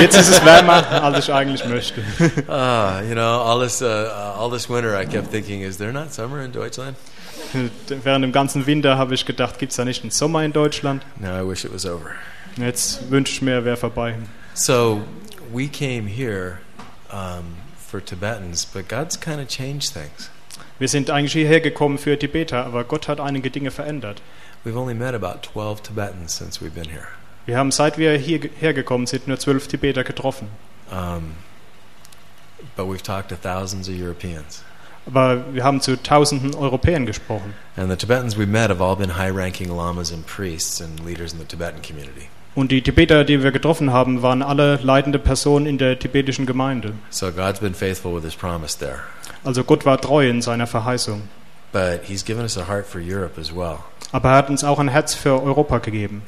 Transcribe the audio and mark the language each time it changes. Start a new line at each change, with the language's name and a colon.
German: Jetzt ist es wärmer, als ich eigentlich möchte.
English: You know, all this winter I kept thinking, is there not summer in Deutschland?
German: Während dem ganzen Winter habe ich gedacht, gibt's da nicht einen Sommer in Deutschland?
English: Now I wish it was over.
German: Jetzt wünsche ich mir, wäre vorbei.
English: So we came here for Tibetans, but God's kind of changed things.
German: Wir sind eigentlich hierher gekommen für Tibeter, aber Gott hat einige Dinge verändert.
English: We've only met about 12 Tibetans since we've been here.
German: Wir haben seit wir hierher gekommen sind nur 12 Tibeter getroffen.
English: But we've talked to thousands of Europeans.
German: Aber wir haben zu tausenden Europäern gesprochen.
English: And the Tibetans we met have all been high-ranking lamas and priests and leaders in the Tibetan community.
German: Und die Tibeter, die wir getroffen haben, waren alle leitende Personen in der tibetischen Gemeinde.
English: So God's been faithful with his promise there.
German: Also Gott war treu in seiner Verheißung.
English: But he's given us a heart for Europe as well.
German: Aber er hat uns auch ein Herz für Europa gegeben.